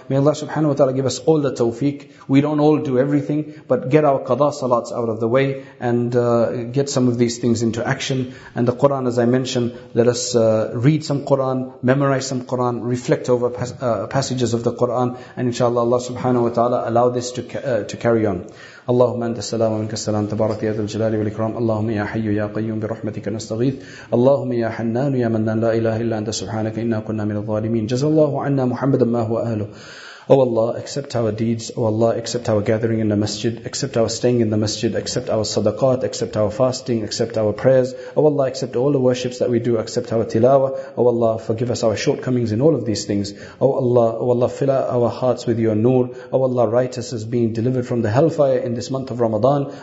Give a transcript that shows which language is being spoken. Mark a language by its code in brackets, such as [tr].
[en] May Allah subhanahu wa ta'ala give us all the tawfiq. We don't all do everything, but get our qada salats out of the way and get some of these things into action. And the Quran, as I mentioned, let us read some Quran, memorize some Quran, reflect over passages of the Quran, and inshallah Allah subhanahu wa ta'ala allow this to carry on. [ar] اللهم أنت السلام ومنك السلام تبارك يا ذا الجلال والإكرام اللهم يا حي يا قيوم برحمتك نستغيث اللهم يا حنان يا منان لا إله إلا أنت سبحانك إنا كنا من الظالمين جزى الله عنا محمدا ما هو أهله. [en] Oh Allah, accept our deeds. Oh Allah, accept our gathering in the masjid. Accept our staying in the masjid. Accept our sadaqat. Accept our fasting. Accept our prayers. Oh Allah, accept all the worships that we do. Accept our tilawah. Oh Allah, forgive us our shortcomings in all of these things. Oh Allah, fill our hearts with your nur. Oh Allah, write us as being delivered from the hellfire in this month of Ramadan.